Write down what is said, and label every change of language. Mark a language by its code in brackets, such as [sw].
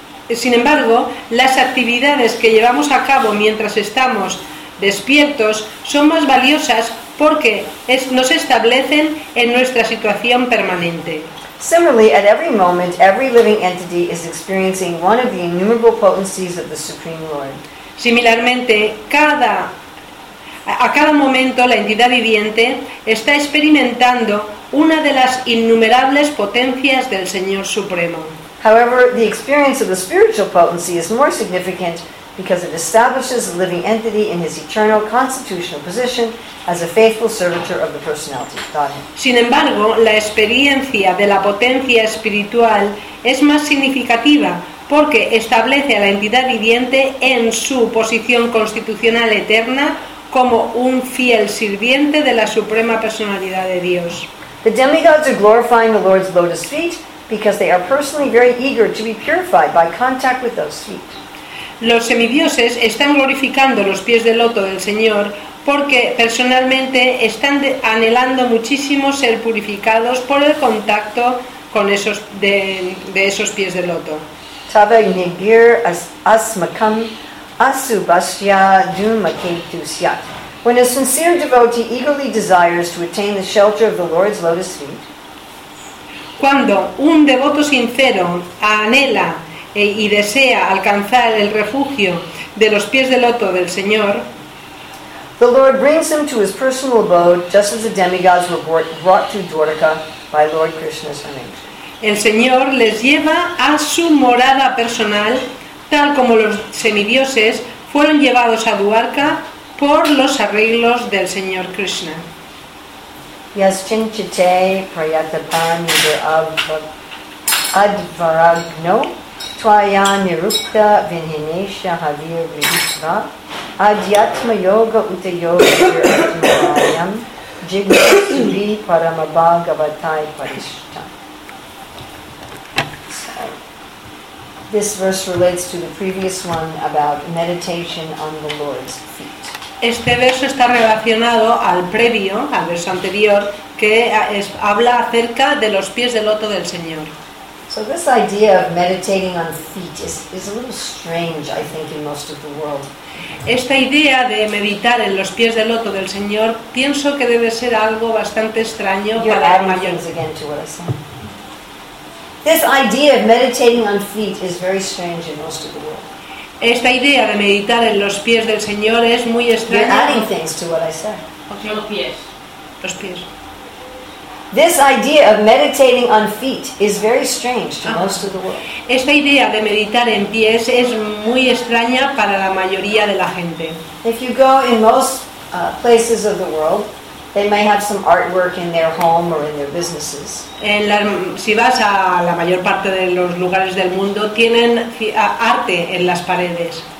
[es] Sin embargo, las actividades que llevamos a cabo mientras estamos despiertos son más valiosas porque nos establecen en nuestra situación permanente. [en] Similarly, at every moment, every living entity is experiencing one of the innumerable potencies of the Supreme Lord. [es] Similarmente, a cada momento la entidad viviente está experimentando una de las innumerables potencias del Señor Supremo. [en] However, the experience of the spiritual potency is more significant because it establishes the living entity in his eternal constitutional position as a faithful servitor of the personality of Godhead. [es] Sin embargo, la experiencia de la potencia espiritual es más significativa porque establece a la entidad viviente en su posición constitucional eterna como un fiel sirviente de la suprema personalidad de Dios. [en] The demigods are glorifying the Lord's lotus feet because they are personally very eager to be purified by contact with those feet. [es] Los semidioses están glorificando los pies de loto del Señor porque personalmente están anhelando muchísimo ser purificados por el contacto con esos de esos pies de loto. [sa] Tava nigir asmakam asubhasya dumaketusyat. [en] When a sincere devotee eagerly desires to attain the shelter of the Lord's lotus feet, [es] cuando un devoto sincero anhela y desea alcanzar el refugio de los pies de loto del Señor, [en] the Lord brings him to his personal abode just as the demigods were brought to Dwarka by Lord Krishna's arrangement. [es] El Señor les lleva a su morada personal tal como los semidioses fueron llevados a Dwarka por los arreglos del Señor Krishna. [sa] Yaschinchite prayatapan yudur advaragno Tvaya nirukta vinhinesha havir vihitva adhyatma yoga uta yoga virayam jignasuri paramabhagavatai parishta. [en] This verse relates to the previous one about meditation on the Lord's feet. [es] Este verso está relacionado al previo, al verso anterior, que habla acerca de los pies de loto del Señor. [en] So this idea of meditating on feet is a little strange, I think, in most of the world. [es] Esta idea de meditar en los pies del loto del Señor, pienso que debe ser algo bastante extraño para la mayoría. [en] You're adding things again to what I said. This idea of meditating on feet is very strange in most of the world. [es] Esta idea de meditar en los pies del Señor es muy extraña. [en] You're adding things to what I said. [es] Los pies. [en] This idea of meditating on feet is very strange to most of the world. [es] Esta idea de meditar en pies es muy extraña para la mayoría de la gente. [en] If you go in most places of the world, they may have some artwork in their home or in their businesses. [es] Si vas a la mayor parte de los lugares del mundo, tienen arte en las paredes.